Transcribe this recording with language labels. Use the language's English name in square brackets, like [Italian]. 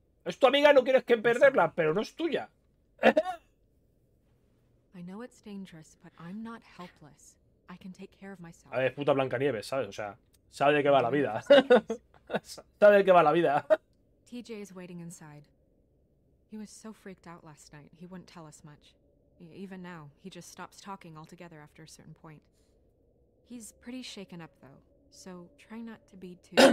[Spanish] Es tu amiga, no quieres que perderla, pero no es tuya. [English] I know it's dangerous, but I'm not helpless. I can take care of myself. [Spanish] A ver, puta Blancanieves, ¿sabes? O sea, sabe de qué va la vida. Sabe de qué va la vida. [English] TJ is waiting inside. He was so freaked out last night, he wouldn't tell us much. Even now, he just stops talking altogether after a certain point. He's pretty shaken up though, so try not to be too.